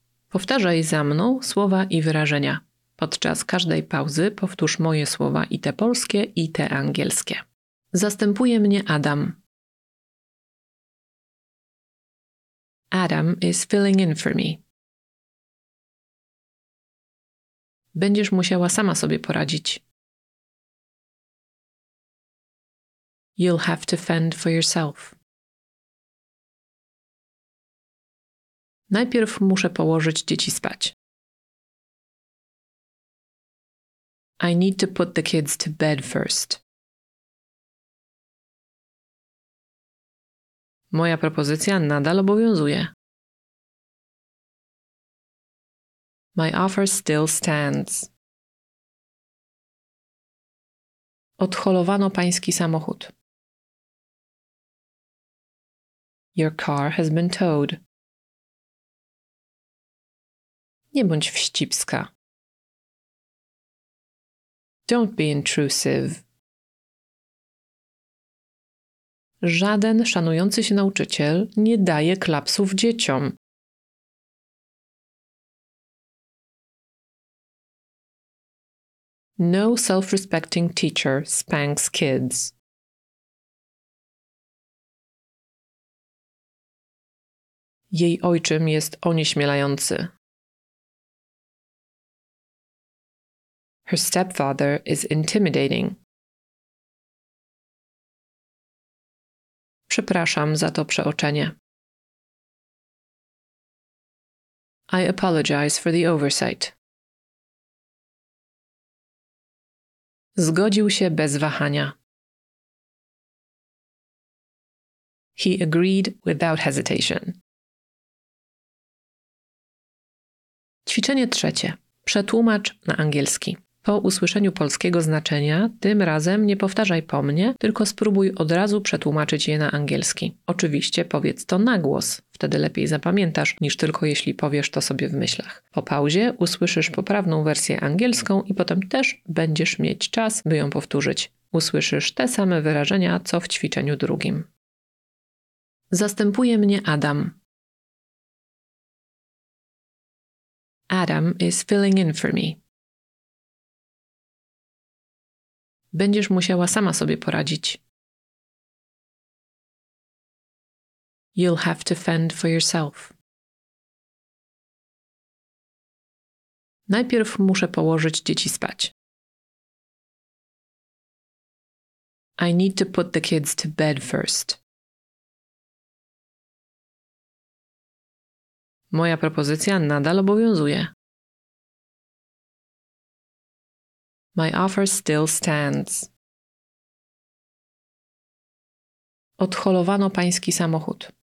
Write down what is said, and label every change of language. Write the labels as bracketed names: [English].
[Polish] Powtarzaj za mną słowa i wyrażenia. Podczas każdej pauzy powtórz moje słowa i te polskie, i te angielskie. Zastępuje mnie Adam. [English] Adam is filling in for me. [Polish] Będziesz musiała sama sobie poradzić. [English] You'll have to fend for yourself. [Polish] Najpierw muszę położyć dzieci spać. [English] I need to put the kids to bed first. [Polish] Moja propozycja nadal obowiązuje. [English] My offer still stands. [Polish] odholowano pański samochód. [English] Your car has been towed. [Polish] Nie bądź wścibska. [English] Don't be intrusive. [Polish] Żaden szanujący się nauczyciel nie daje klapsów dzieciom. [English] No self-respecting teacher spanks kids. [Polish] Jej ojczym jest onieśmielający. [English] Her stepfather is intimidating. [Polish] Przepraszam za to przeoczenie. [English] I apologize for the oversight. [Polish] Zgodził się bez wahania. [English] He agreed without hesitation. [Polish] Ćwiczenie trzecie. Przetłumacz na angielski. Po usłyszeniu polskiego znaczenia, tym razem nie powtarzaj po mnie, tylko spróbuj od razu przetłumaczyć je na angielski. Oczywiście powiedz to na głos, wtedy lepiej zapamiętasz, niż tylko jeśli powiesz to sobie w myślach. Po pauzie usłyszysz poprawną wersję angielską i potem też będziesz mieć czas, by ją powtórzyć. Usłyszysz te same wyrażenia, co w ćwiczeniu drugim. Zastępuje mnie Adam. [English] Adam is filling in for me. [Polish] Będziesz musiała sama sobie poradzić. [English] You'll have to fend for yourself. [Polish] Najpierw muszę położyć dzieci spać. [English] I need to put the kids to bed first. [Polish] Moja propozycja nadal obowiązuje. [English] My offer still stands. [Polish] Odholowano pański samochód.